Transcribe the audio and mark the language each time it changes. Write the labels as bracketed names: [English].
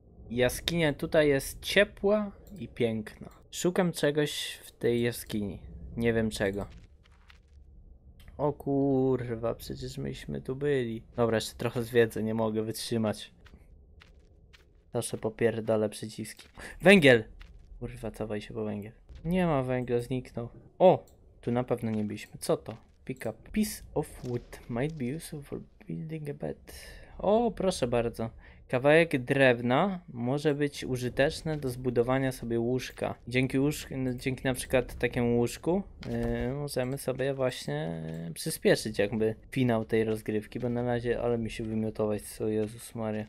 [Polish] Jaskinia tutaj jest ciepła i piękna. Szukam czegoś w tej jaskini. Nie wiem czego. O kurwa, przecież myśmy tu byli. Dobra, jeszcze trochę z wiedzy, nie mogę wytrzymać. Zawsze popierdolę przyciski. Węgiel! Kurwa, cofaj się po węgiel. Nie ma węgla, zniknął. O! Tu na pewno nie byliśmy. Co to? [English] Pick up. Piece of wood might be useful for building a bed. [Polish] O, proszę bardzo. Kawałek drewna może być użyteczny do zbudowania sobie łóżka. Dzięki na przykład takiemu łóżku możemy sobie właśnie przyspieszyć jakby finał tej rozgrywki, bo na razie, ale mi się wymiotować, co Jezus Maria.